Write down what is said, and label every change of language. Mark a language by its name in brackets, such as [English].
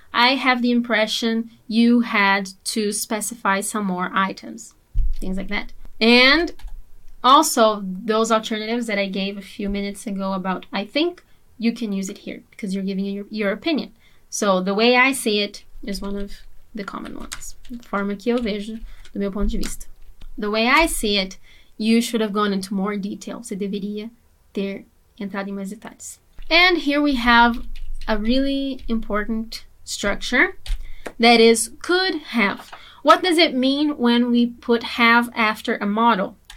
[English] I have the impression you had to specify some more items, things like that. And also those alternatives that I gave a few minutes ago about, I think you can use it here because you're giving your opinion. So the way I see it is one of the common ones. [Portuguese] Forma que eu vejo do meu ponto de vista. [English] The way I see it, you should have gone into more detail. [Portuguese] Você deveria ter entrado em mais detalhes. [English] And here we have a really important structure that is could have. What does it mean when we put have after a model?